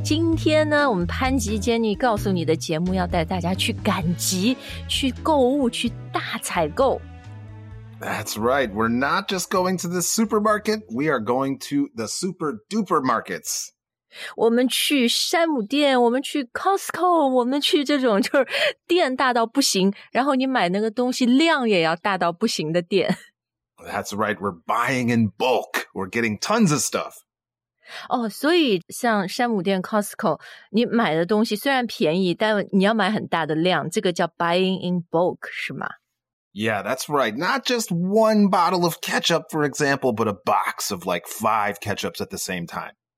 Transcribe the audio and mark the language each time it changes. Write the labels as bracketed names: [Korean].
[Chinese] 今天呢，我们潘吉 Jenny 告诉你的节目要带大家去赶集，去购物，去大采购。 [English] That's right, we're not just going to the supermarket, we are going to the super duper markets. [Chinese] 我们去山姆店，我们去 Costco, 我们去这种就是店大到不行，然后你买那个东西量也要大到不行的店。 [English] That's right, we're buying in bulk, we're getting tons of stuff. [Chinese] 哦，所以像山姆店 Costco, 你买的东西虽然便宜，但你要买很大的量，这个叫 [English] buying in bulk, [Chinese] 是吗？ [English] Yeah, that's right, not just one bottle of ketchup, for example, but a box of like five ketchups at the same time.